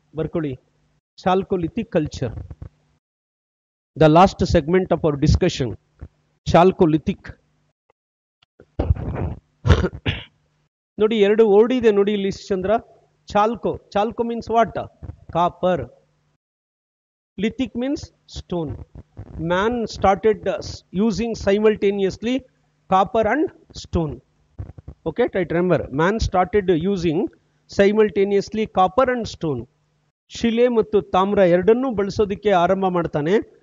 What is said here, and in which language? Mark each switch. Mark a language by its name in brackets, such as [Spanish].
[Kannada] ಬರ್ಕೊಳ್ಳಿ, [English] Chalcolithic culture the last segment of our discussion. [Kannada] ಚಾಲ್ಕೋಲಿಥಿಕ್ ನೋಡಿ, ಎರಡು ವರ್ಡ್ ಇದೆ ನೋಡಿ ಇಲ್ಲಿ ಚಂದ್ರ. ಚಾಲ್ಕೋ, ಚಾಲ್ಕೋ [English] Means what? [Kannada] Copper. [English] Lithic means stone. Man started using simultaneously copper and stone. Okay, try to remember. Man started using simultaneously copper and stone. [Kannada] ಶಿಲೆ ಮತ್ತು ತಾಮ್ರ ಎರಡನ್ನೂ ಬಳಸೋದಕ್ಕೆ ಆರಂಭ ಮಾಡ್ತಾನೆ.